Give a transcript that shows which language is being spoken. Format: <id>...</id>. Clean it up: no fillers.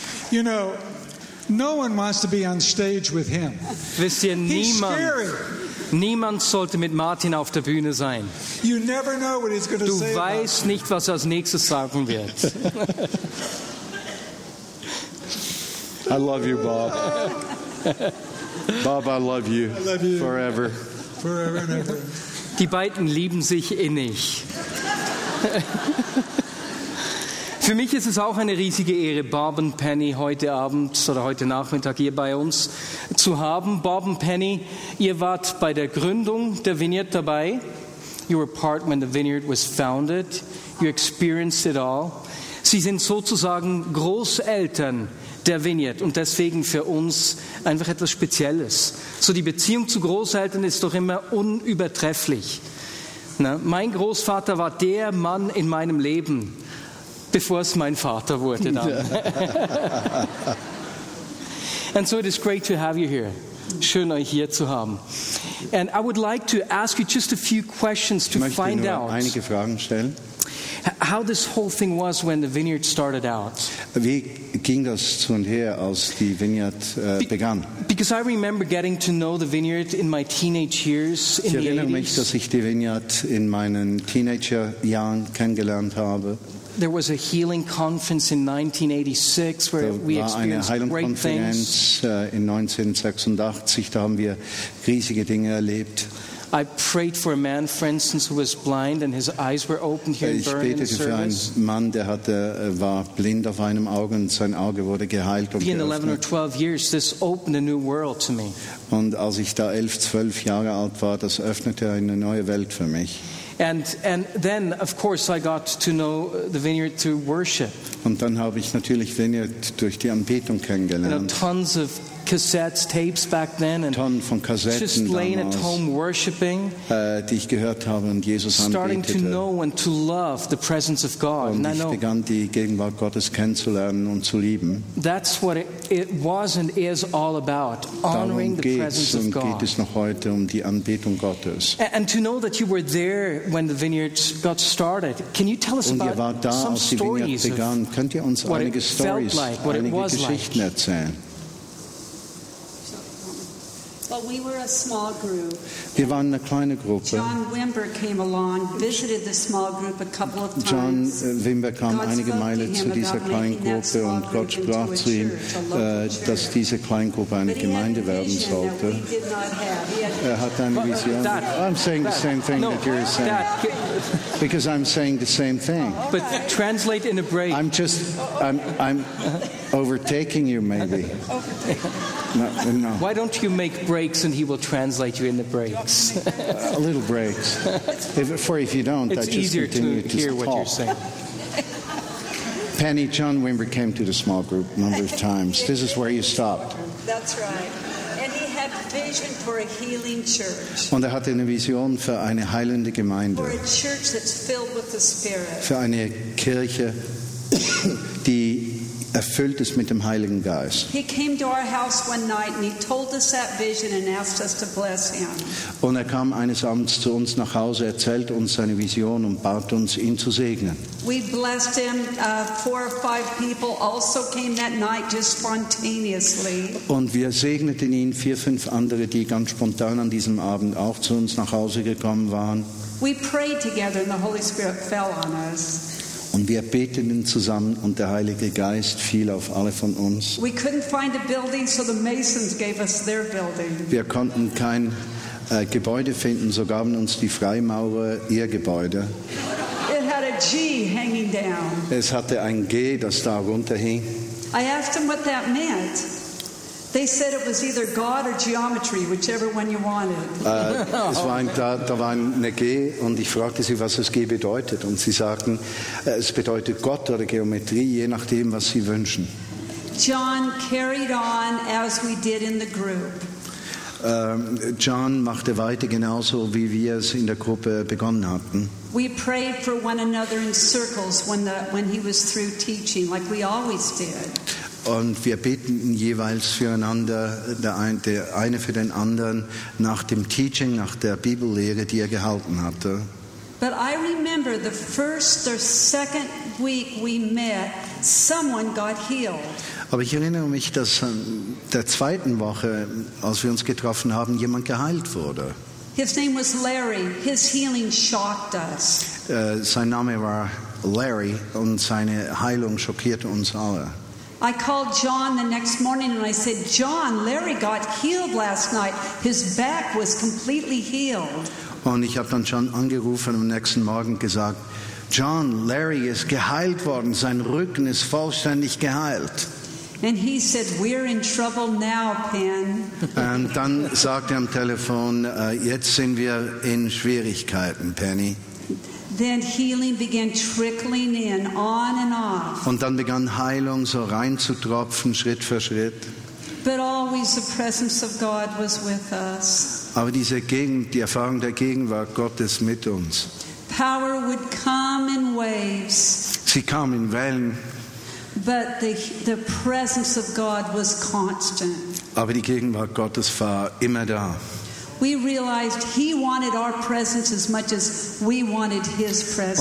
<en>You know, no one wants to be on stage with him.</en> <de>Wisst ihr, niemand,</de> <en>he's scary.</en> <de>Niemand sollte mit Martin auf der Bühne sein.</de> <en>You never know what he's going to</en> <de>du</de> <en>say</en> <de>weißt nicht, was er als nächstes sagen wird.</de> <en>I love you, Bob. Bob, I love you. I love you. Forever. Forever and ever.</en> <de>Die beiden lieben sich innig. Für mich ist es auch eine riesige Ehre, Bob und Penny heute Abend oder heute Nachmittag hier bei uns zu haben. Bob und Penny, ihr wart bei der Gründung der Vineyard dabei.</de> <en>You were part when the Vineyard was founded. You experienced it all.</en> <de>Sie sind sozusagen Großeltern der Vineyard und deswegen für uns einfach etwas Spezielles. So die Beziehung zu Großeltern ist doch immer unübertrefflich. Na, mein Großvater war der Mann in meinem Leben, bevor es mein Vater wurde dann.</de> <en>And so it is great to have you here.</en> <de>Schön, euch hier zu haben.</de> <en>And I would like to ask you just a few questions to find out.</en> <de>Ich möchte nur einige Fragen stellen.</de> <en>How this whole thing was when the Vineyard started out.</en> <de>Wie ging das zu und her, als die Vineyard begann?</de> <en>Because I remember getting to know the Vineyard in my teenage years in the 80s.</en> <de>Ich erinnere mich, dass ich die Vineyard in meinen Teenagerjahren kennengelernt habe.</de> <en>There was a healing conference in 1986 where we experienced great things.</en> <de>In 1986, da haben wir riesige Dinge erlebt.</de> <en>I prayed for a man, for instance, who was blind and his eyes were opened here in Bern.</en> <de>Ich betete für einen Mann, der hatte, war blind auf einem Auge und sein Auge wurde geheilt.</de> <en>In 11 or 12 years, this opened a new world to me.</en> <de>Und als ich da 11, 12 Jahre alt war, das öffnete eine neue Welt für mich.</de> <en>And then, of course, I got to know the Vineyard through worship.</en> <de>Und dann habe ich natürlich Vineyard durch die Anbetung kennengelernt.</de> <en>And tons of cassettes, tapes back then, and</en> <de>Tonnen von Kassetten</de> <en>just laying</en> <de>damals,</de> <en>at home worshiping.</en> <de>Die ich gehört habe und Jesus anbetete.</de> <en>Starting</en> <de>anbetete.</de> <en>To know and to love the presence of God.</en> <de>Und ich begann die Gegenwart Gottes kennenzulernen und zu lieben.</de> <en>That's what it was and is all about, honoring the presence of God.</en> <de>Darum geht es noch heute um die Anbetung Gottes.</de> <en>And to know that you were there when the Vineyard got started. Can you tell us</en> <de>und</de> <en>about</en> <de>ihr wart da,</de> <en>some</en> <de>als die Vineyard</de> <en>stories</en> <de>begann.</de> <en>Of</en> <de>könnt ihr uns</de> <en>what</en> <de>einige</de> <en>it stories, felt like, what</en> <de>einige</de> <en>it was</en> <de>Geschichten</de> <en>like.</en> <de>Erzählen?</de> <en>But we were a small group.</en> <de>Wir waren eine kleine Gruppe.</de> <en>John Wimber came along, visited the small group a couple of times.</en> <de>John Wimber kam einige Meile zu dieser kleinen Gruppe und Gott sprach zu ihm, dass diese kleine Gruppe eine Gemeinde werden sollte. Er hatte eine Vision.</de> <en>I'm saying the same thing that you're saying. Because I'm saying the same thing. But translate in a break. I'm overtaking you, maybe. No. Why don't you make breaks and he will translate you in the breaks? A little breaks. If you don't, it's I just easier continue to hear talk. What you're saying. Penny, John Wimber came to the small group a number of times. This is where you stopped. That's right. Vision for a healing church.</en> <de>Und hatte eine Vision für eine heilende Gemeinde.</de> <en>For a church that's filled with the Spirit.</en> <de>Für eine Kirche, die erfüllt ist mit dem Heiligen Geist.</de> <en>He came to our house one night and he told us that vision and asked us to bless him.</en> <de>Und kam eines Abends zu uns nach Hause, erzählt uns seine Vision und bat uns, ihn zu segnen.</de> <en>We blessed him. Four or five people also came that night just spontaneously.</en> <de>Und wir segneten ihn, vier, fünf andere, die ganz spontan an diesem Abend auch zu uns nach Hause gekommen waren.</de> <en>We prayed together and the Holy Spirit fell on us.</en> <de>Und wir beteten zusammen und der Heilige Geist fiel auf alle von uns.</de> <en>We couldn't find a building, so the Masons gave us their building.</en> <de>Wir konnten kein Gebäude finden. So gaben uns die Freimaurer ihr Gebäude.</de> <en>It had a G hanging down.</en> <de>Es hatte ein G, das da runterhing.</de> <en>I asked them what that meant. They said it was either God or geometry, whichever one you wanted.</en> <de>Es war ein, da war eine G und ich fragte sie, was das G bedeutet. Und sie sagten, es bedeutet Gott oder Geometrie, je nachdem, was sie wünschen.</de> <en>John carried on as we did in the group.</en> <de>John machte weiter genauso, wie wir es in der Gruppe begonnen hatten.</de> <en>We prayed for one another in circles when he was through teaching, like we always did.</en> <de>Und wir beteten jeweils füreinander, der eine für den anderen, nach dem Teaching, nach der Bibellehre, die er gehalten hatte.</de> <en>But I remember the first or second week we met, someone got healed.</en> <de>Aber ich erinnere mich, dass in der zweiten Woche, als wir uns getroffen haben, jemand geheilt wurde.</de> <en>His name was Larry. His healing shocked us.</en> <de>Sein Name war Larry und seine Heilung schockierte uns alle.</de> <en>I called John the next morning and I said, John, Larry got healed last night. His back was completely healed.</en> <de>Und ich habe dann John angerufen am nächsten Morgen und gesagt, John, Larry ist geheilt worden. Sein Rücken ist vollständig geheilt.</de> <en>And he said, we're in trouble now, Penn.</en> <de>Und dann sagte am Telefon, jetzt sind wir in Schwierigkeiten, Penny.</de> <en>Then healing began trickling in, on and off.</en> <de>Und dann begann Heilung so reinzutropfen, Schritt für Schritt.</de> <en>But always the presence of God was with us.</en> <de>Aber diese Gegend, die Erfahrung der Gegenwart Gottes mit uns.</de> <en>Power would come in waves.</en> <de>Sie kam in Wellen.</de> <en>But the presence of God was constant.</en> <de>Aber die Gegenwart Gottes war immer da.</de> <en>We realized he wanted our presence as much as we wanted his presence.</en>